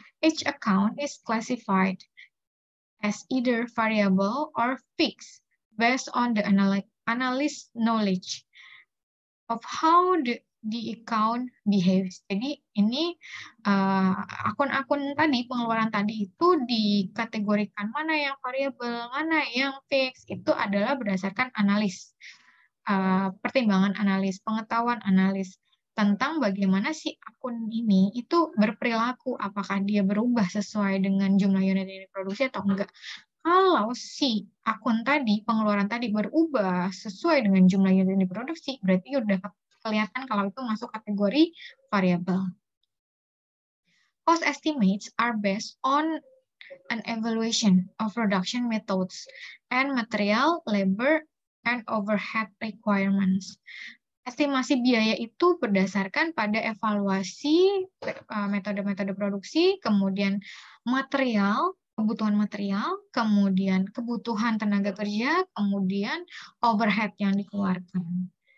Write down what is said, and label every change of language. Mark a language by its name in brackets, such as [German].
[English] Each account is classified as either variable or fixed based on the analyst knowledge of how the account behaves. [Indonesian] Jadi ini akun-akun tadi, pengeluaran tadi itu dikategorikan mana yang variable, mana yang fixed, itu adalah berdasarkan analis, pertimbangan analis, pengetahuan analis tentang bagaimana si akun ini itu berperilaku, apakah dia berubah sesuai dengan jumlah unit yang diproduksi atau enggak. Kalau si akun tadi, pengeluaran tadi berubah sesuai dengan jumlah unit yang diproduksi, berarti sudah kelihatan kalau itu masuk kategori variable. [English] Cost estimates are based on an evaluation of production methods and material, labor, and overhead requirements. [Indonesian] Estimasi biaya itu berdasarkan pada evaluasi metode-metode produksi, kemudian material, kebutuhan material, kemudian kebutuhan tenaga kerja, kemudian overhead yang dikeluarkan.